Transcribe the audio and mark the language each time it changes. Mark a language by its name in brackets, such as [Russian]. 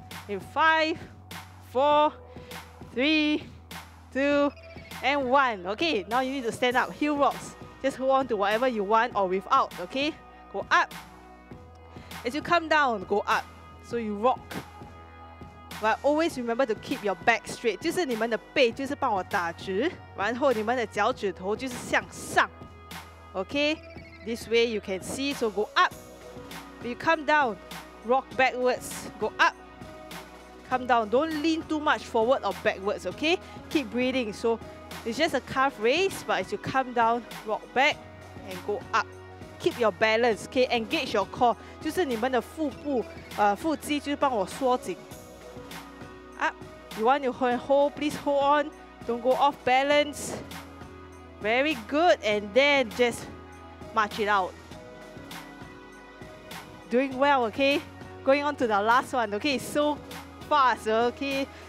[English] In 5, 4, 3, 2, and 1. Okay, now you need to stand up. Heel rocks. Just hold on to whatever you want or without, okay? Go up. As you come down, go up. So you rock. But always remember to keep your back straight. [Chinese] 就是你们的背就是帮我打直，然后你们的脚趾头就是向上. [English] Okay, this way you can see. So go up, you come down, rock backwards, go up, come down. Don't lean too much forward or backwards. Okay, keep breathing. So it's just a calf raise, but as you come down, rock back and go up. Keep your balance. Okay, engage your core. [Chinese] 就是你们的腹部，腹肌就是帮我缩紧. [English] Up, you want to hold, please hold on. Don't go off balance. Very good, and then just march it out. Doing well, okay? Going on to the last one, okay? So fast, okay?